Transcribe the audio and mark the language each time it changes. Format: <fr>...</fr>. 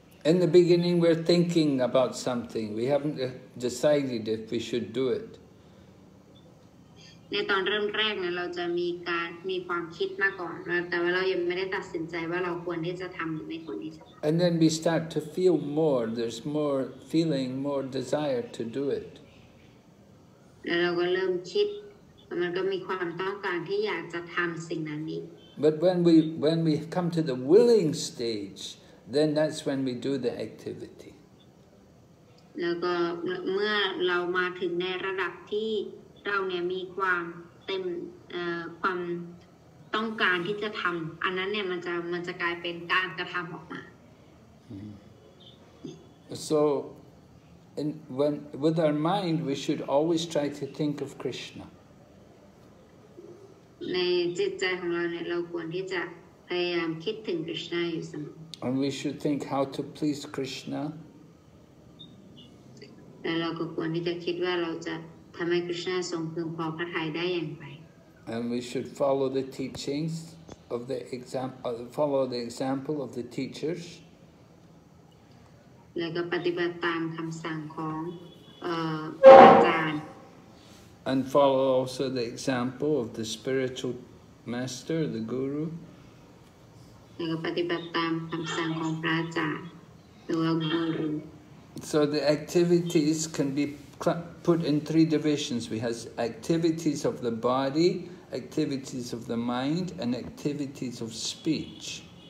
<en>In the beginning we're thinking about something. We haven't decided if we should do it.</en> <th>ในตอนเริ่มแรกเนี่ยเราจะมีความคิดมาก่อนแต่ว่าเรายังไม่ได้ตัดสินใจว่าเราควรที่จะทำหรือไม่ควรที่จะทำ</th> <en>And then we start to feel more. There's more feeling, more desire to do it.</en> <th>แล้วเราก็เริ่มคิดมันก็มีความต้องการที่อยากจะทำสิ่งนั้นนี้</th> <en>But when we come to the willing stage, then that's when we do the activity.</en> <th>แล้วก็เมื่อเรามาถึงในระดับที่เราเนี่ยมีความเต็มความต้องการที่จะทำอันนั้นเนี่ยมันจะกลายเป็นการกระทำออกมา</th> <en>So in when with our mind we should always try to think of Krishna</en> <th>ในจิตใจของเราเนี่ยเราควรที่จะพยายามคิดถึงคริสนาอยู่เสมอ</th> <en>And we should think how to please Krishna</en> <th>และเราก็ควรที่จะคิดว่าเราจะทำให้คริสนาทรงพึงพอพระทัยได้อย่างไร</th> <en>And we should follow the teachings of the example follow the example of the teachers</en> <th>แล้วก็ปฏิบัติตามคำสั่งของอาจารย์</th> <en>And follow also the example of the spiritual master the guru</en> <th>แล้วก็ปฏิบัติตามคำสั่งของพระอาจารย์หรือกูรู</th> <en>So the activities can beput in three divisions. We have activities of the body, activities of the mind, and activities of speech.</en>